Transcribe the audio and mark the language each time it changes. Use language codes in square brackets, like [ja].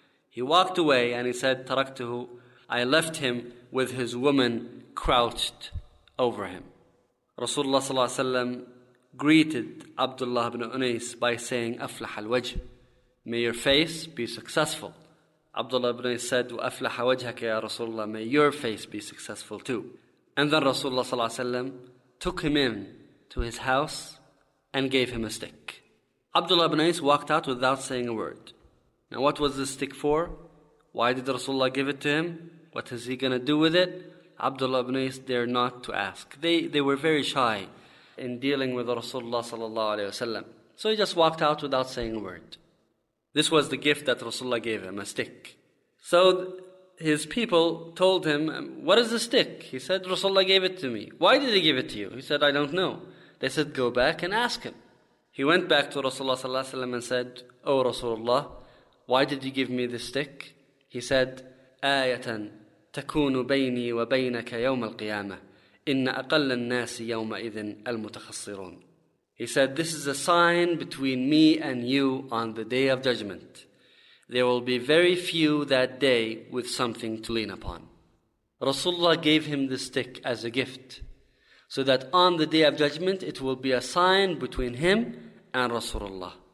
[en] He walked away and he said, Taraktuhu, I left him with his woman crouched over him. Rasulullah sallallahu alayhi wa sallam greeted Abdullah ibn Unais by saying, [ar] Aflah al-wajh. [en] May your face be successful. Abdullah ibn Unais said, [ar] وَأَفْلَحَ وَجْهَكَ يَا رَسُولَ اللَّهِ. [en] May your face be successful too. And then Rasulullah sallallahu alayhi wa sallam took him in to his house and gave him a stick. Abdullah ibn Unais walked out without saying a word. Now what was the stick for? Why did Rasulullah give it to him? What is he going to do with it? Abdullah ibn Unais dared not to ask. They were very shy in dealing with Rasulullah sallallahu alayhi wa sallam. So he just walked out without saying a word. This was the gift that Rasulullah gave him, a stick. So his people told him, what is the stick? He said, Rasulullah gave it to me. Why did he give it to you? He said, I don't know. They said, go back and ask him. He went back to Rasulullah sallallahu alaihi wasallam and said, O Rasulullah, why did you give me this stick? He said, [ar] آيَةً تَكُونُ بَيْنِي وَبَيْنَكَ يَوْمَ الْقِيَامَةِ إِنَّ أَقَلَّ النَّاسِ يَوْمَئِذٍ الْمُتَخَصِّرُونَ. [en] He said, this is a sign between me and you on the Day of Judgment. There will be very few that day with something to lean upon. Rasulullah gave him the stick as a gift, so that on the Day of Judgment, it will be a sign between him and Rasulullah.